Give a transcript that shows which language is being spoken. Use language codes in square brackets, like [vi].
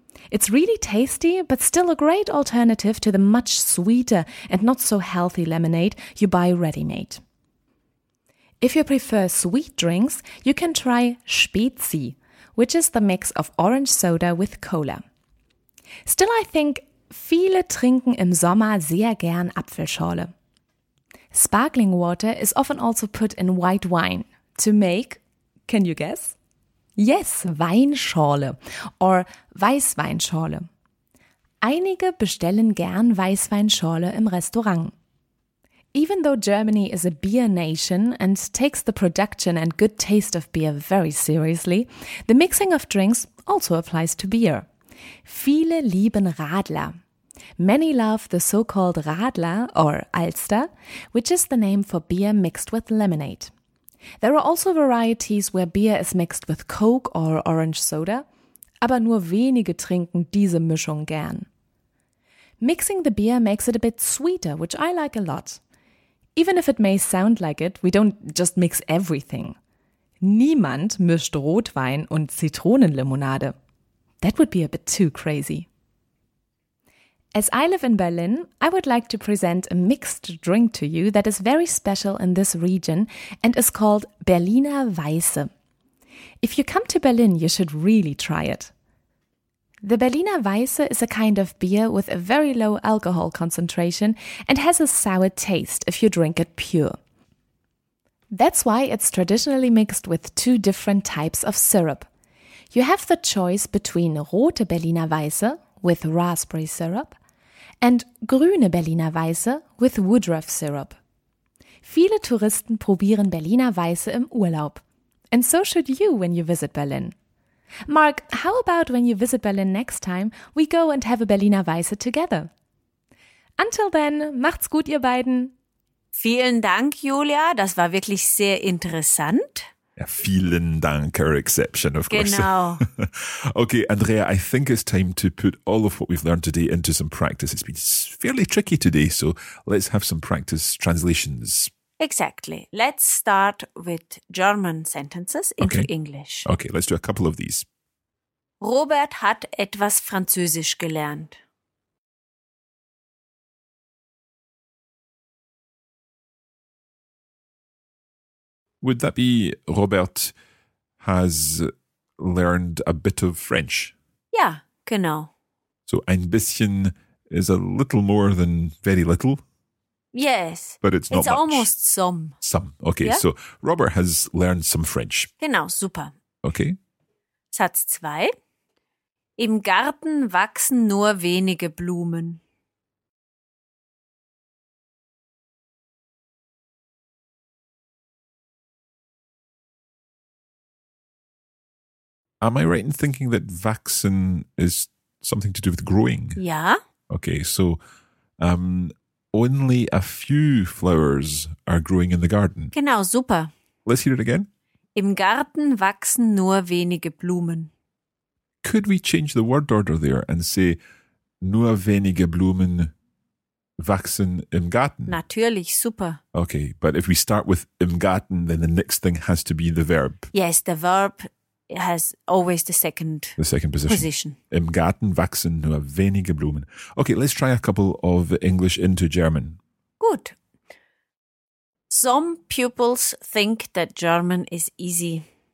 [en] It's really tasty, but still a great alternative to the much sweeter and not so healthy lemonade you buy ready-made. If you prefer sweet drinks, you can try Spezi, which is the mix of orange soda with cola. Still, I think [de] viele trinken im Sommer sehr gern Apfelschorle. [en] Sparkling water is often also put in white wine to make, can you guess? Yes, Weinschorle or Weißweinschorle. [de] Einige bestellen gern Weißweinschorle im Restaurant. [en] Even though Germany is a beer nation and takes the production and good taste of beer very seriously, the mixing of drinks also applies to beer. [de] Viele lieben Radler. [en] Many love the so-called Radler or Alster, which is the name for beer mixed with lemonade. There are also varieties where beer is mixed with Coke or orange soda, [de] aber nur wenige trinken diese Mischung gern. [en] Mixing the beer makes it a bit sweeter, which I like a lot. Even if it may sound like it, we don't just mix everything. [de] Niemand mischt Rotwein und Zitronenlimonade. [en] That would be a bit too crazy. As I live in Berlin, I would like to present a mixed drink to you that is very special in this region and is called Berliner Weiße. If you come to Berlin, you should really try it. The Berliner Weiße is a kind of beer with a very low alcohol concentration and has a sour taste if you drink it pure. That's why it's traditionally mixed with two different types of syrup. You have the choice between Rote Berliner Weiße with raspberry syrup and Grüne Berliner Weiße with Woodruff syrup. [de] Viele Touristen probieren Berliner Weiße im Urlaub. [en] And so should you when you visit Berlin. Mark, how about when you visit Berlin next time, we go and have a Berliner Weiße together? Until then, [de] macht's gut, ihr beiden. Vielen Dank, Julia. Das war wirklich sehr interessant. Ja, vielen Dank, [en] our exception, of [de] genau. [en] Course. [de] Genau. [en] Okay, Andrea, I think it's time to put all of what we've learned today into some practice. It's been fairly tricky today, so let's have some practice translations. Exactly. Let's start with German sentences into English. Okay, let's do a couple of these. [de] Robert hat etwas Französisch gelernt. [en] Would that be Robert has learned a bit of French? [de] Yeah, genau. [en] So ein bisschen is a little more than very little. Yes. But it's not It's much. Almost some. Some. Okay, yeah? So Robert has learned some French. [de] Genau, super. [en] Okay. [de] Satz 2. Im Garten wachsen nur wenige Blumen. [en] Am I right in thinking that wachsen is something to do with growing? Yeah. Okay, so only a few flowers are growing in the garden. [de] Genau, super. [en] Let's hear it again. [de] Im Garten wachsen nur wenige Blumen. [en] Could we change the word order there and say [de] nur wenige Blumen wachsen im Garten? Natürlich, super. [en] Okay, but if we start with im Garten, then the next thing has to be the verb. Yes, the verb. It has always the second position. [de] Im Garten wachsen nur wenige Blumen. [en] Okay, let's try a couple of English into German. Good. Some pupils think that German is easy.